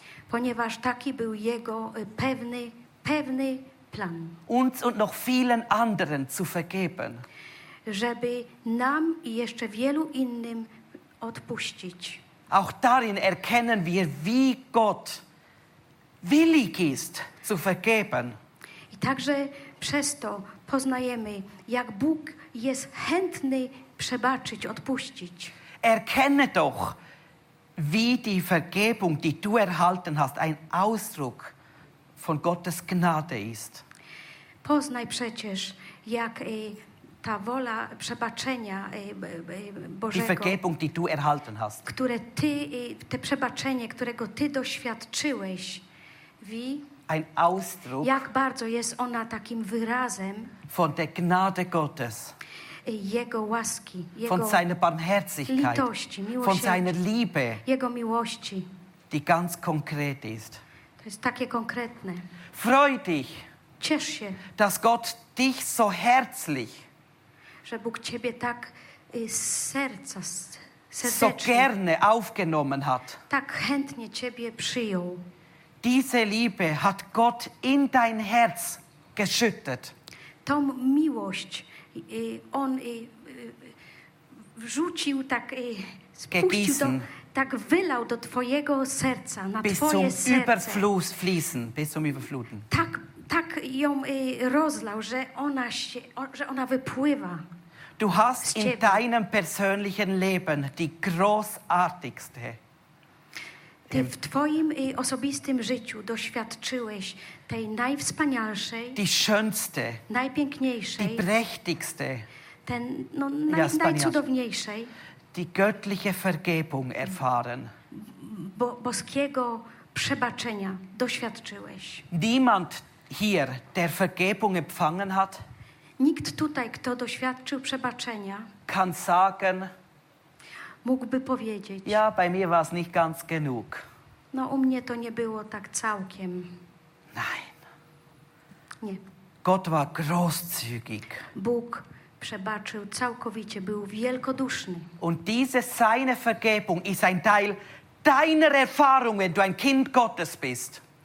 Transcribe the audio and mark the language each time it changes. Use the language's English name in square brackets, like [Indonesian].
[Polish] Ponieważ taki był jego pewny plan. [German] Uns und noch vielen anderen zu vergeben. [Polish] Żeby nam i jeszcze wielu innym odpuścić. [German] Auch darin erkennen wir, wie Gott willig ist zu vergeben. [Polish] I także przez to poznajemy, jak Bóg jest chętny przebaczyć, odpuścić. [German] Erkenne doch, wie die Vergebung, die du erhalten hast, ein Ausdruck von Gottes Gnade ist. [Polish] Poznaj przecież, jak ta wola przebaczenia Bożego, [German] die Vergebung, die du erhalten hast, [Polish] które ty, te przebaczenie, którego ty doświadczyłeś, [German] wie ein Ausdruck, [Polish] jak bardzo jest ona takim wyrazem [German] von der Gnade Gottes, [Polish] jego łaski, jego [German] von seiner Barmherzigkeit, [Polish] litości, miłosierdzia, [German] von seiner Liebe, [Polish] jego miłości, [German] die ganz konkret ist. [Polish] To jest takie konkretne. [German] Freu dich, [Polish] ciesz się, [German] dass Gott dich so herzlich, [Polish] że Bóg ciebie tak serca, [German] so gerne aufgenommen hat, [Polish] tak chętnie ciebie przyjął. [German] Diese Liebe hat Gott in dein Herz geschüttet. [Polish] Tą miłość on wrzucił tak, [German] gegießen, [Polish] tak wylał do twojego serca, na [German] bis [Polish] twoje serce. [German] Überfluss fließen, bis zum Überfluten. [Polish] Tak ją rozlał, że ona się, że ona wypływa. [German] Du hast in deinem persönlichen Leben die großartigste. [Polish] Ty w twoim osobistym życiu doświadczyłeś tej najwspanialszej, [German] die schönste, [Polish] najpiękniejszej, [German] die prächtigste, [Polish] ten, no, najcudowniejszej, [German] die göttliche Vergebung erfahren, [Polish] boskiego przebaczenia doświadczyłeś. [German] Niemand hier, der Vergebung empfangen hat, [Polish] nikt tutaj, kto doświadczył przebaczenia, [German] kann sagen, [Polish] mógłby powiedzieć, [German] ja, bei mir war es nicht ganz genug. [Polish] No, u mnie to nie było tak całkiem. [German] Nein. [Polish] Nie. [German] Gott war großzügig. [Polish] Bóg przebaczył całkowicie, był wielkoduszny. [German] Und diese seine Vergebung ist ein Teil deiner Erfahrung, wenn du ein Kind Gottes bist.